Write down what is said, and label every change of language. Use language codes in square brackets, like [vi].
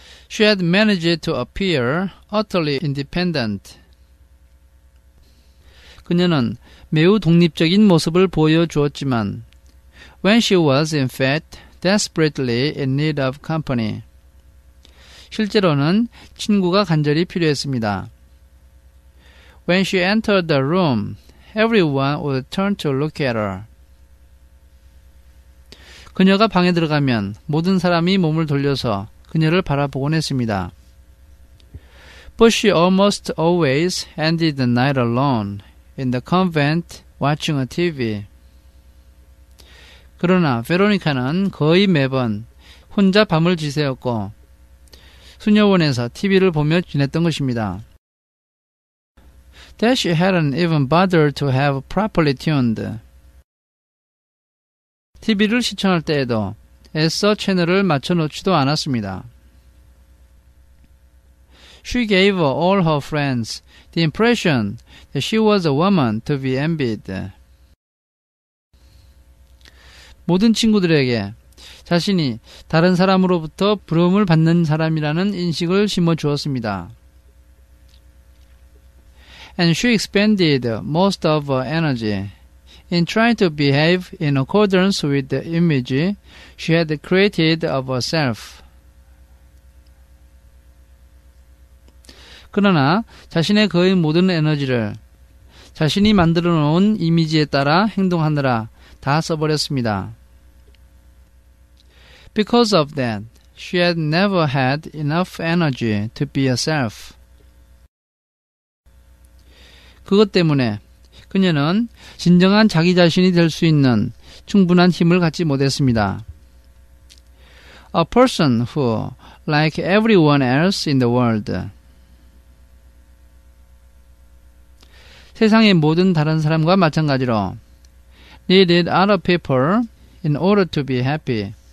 [en] She had managed to appear utterly independent. [ko] 그녀는 매우 독립적인 모습을 보여주었지만 [en] when she was in fact desperately in need of company. [ko] 실제로는 친구가 간절히 필요했습니다. [en] When she entered the room, everyone would turn to look at her. [ko] 그녀가 방에 들어가면 모든 사람이 몸을 돌려서 그녀를 바라보곤 했습니다. [en] But she almost always ended the night alone in the convent watching a TV. [ko] 그러나 베로니카는 거의 매번 혼자 밤을 지새웠고 수녀원에서 TV를 보며 지냈던 것입니다. [en] That she hadn't even bothered to have properly tuned. [ko] TV를 시청할 때에도 애써 채널을 맞춰놓지도 않았습니다. [en] She gave all her friends the impression that she was a woman to be envied. [ko] 모든 친구들에게 자신이 다른 사람으로부터 부러움을 받는 사람이라는 인식을 심어주었습니다. [en] And she expended most of her energy in trying to behave in accordance with the image she had created of herself. [ko] 그러나 자신의 거의 모든 에너지를 자신이 만들어 놓은 이미지에 따라 행동하느라 다 써버렸습니다. [en] Because of that, she had never had enough energy to be herself. [ko] 그것 때문에 그녀는 진정한 자기 자신이 될 수 있는 충분한 힘을 갖지 못했습니다. [en] A person who, like everyone else in the world, [ko] 세상의 모든 다른 사람과 마찬가지로 [en] needed other people in order to be happy.